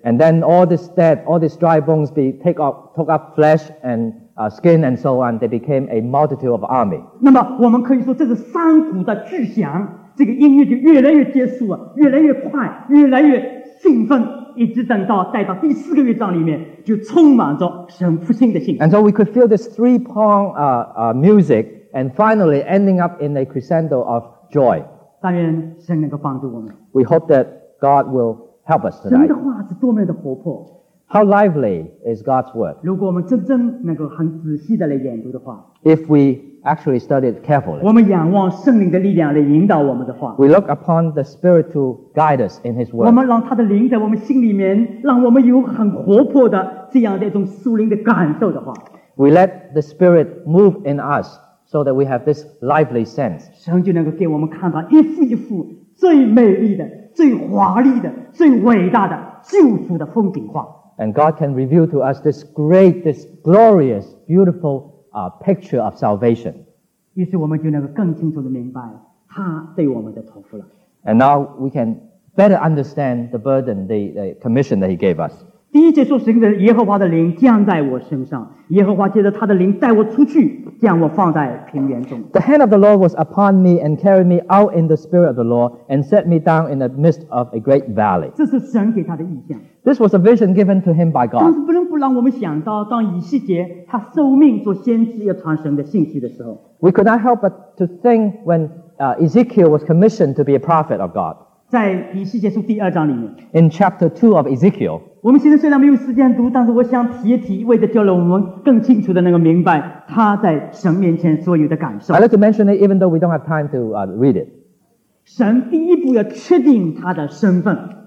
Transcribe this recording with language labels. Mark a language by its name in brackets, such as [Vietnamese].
[English] And then all this dead, all these dry bones took up flesh and skin and so on, they became a multitude of army. [Chinese] 那么我们可以说这是山谷的巨响，这个音乐就越来越结束啊，越来越快，越来越兴奋。一直等到带到第四个乐章里面，就充满着神复兴的信心。 [English] And so we could feel this three-prong music, and finally ending up in a crescendo of joy. [Chinese] 但愿神能够帮助我们。 [English] We hope that God will help us tonight. [Chinese] 神的话是多么的活泼。 [English] How lively is God's word? [Chinese] 如果我们真正能够很仔细的来研读的话。 [English] If we actually study it carefully. [Chinese] 我们仰望圣灵的力量来引导我们的话。 [English] We look upon the Spirit to guide us in His word. [Chinese] 我们让他的灵在我们心里面，让我们有很活泼的这样的一种属灵的感受的话。 [English] We let the Spirit move in us so that we have this lively sense. [Chinese] 神就能够给我们看到一幅一幅最美丽的、最华丽的、最伟大的救赎的风景画。 [English] And God can reveal to us this great, this glorious, beautiful picture of salvation. [Chinese] 于是我们就能够更清楚地明白他对我们的托付了。 [English] And now we can better understand the burden, the commission that He gave us. [Chinese] 第一节说神的耶和华的灵降在我身上，耶和华借着他的灵带我出去，将我放在平原中。 [English] The hand of the Lord was upon me and carried me out in the spirit of the Lord and set me down in the midst of a great valley. [Chinese] 这是神给他的意象。 [English] This was a vision given to him by God. [Chinese] 但是不能不让我们想到，当以西结他受命做先知要传神的信息的时候。 [English] We could not help but to think when Ezekiel was commissioned to be a prophet of God. [Chinese] 在以西结书第二章里面。 [English] In chapter 2 of Ezekiel. [Chinese] 我们现在虽然没有时间读，但是我想提一提，为的叫了我们更清楚的能够明白他在神面前所有的感受。 [English] I'd like to mention it even though we don't have time to read it. [Chinese] 神第一步要确定他的身份。